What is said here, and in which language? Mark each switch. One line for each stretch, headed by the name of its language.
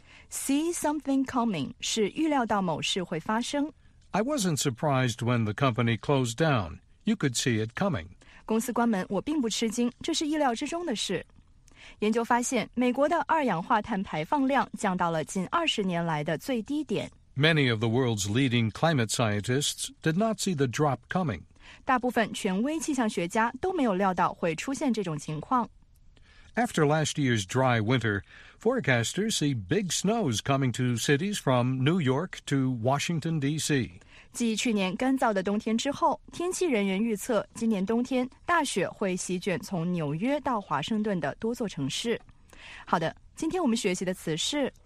Chinese: See something coming 是预料到某事会发生。
English: I wasn't surprised when the company closed down. You could see it coming.
Chinese: 公司关门我并不吃惊，这是意料之中的事。研究发现美国的二氧化碳排放量降到了近20年来的最低点。
English: Many of the world's leading climate scientists did not see the drop coming.
Chinese: 大部分权威气象学家都没有料到会出现这种情况。
English: After last year's dry winter, forecasters see big snows coming to cities from New York to Washington, D.C.
Chinese: 继去年干燥的冬天之后，天气人员预测今年冬天大雪会席卷从纽约到华盛顿的多座城市。好的，今天我们学习的词是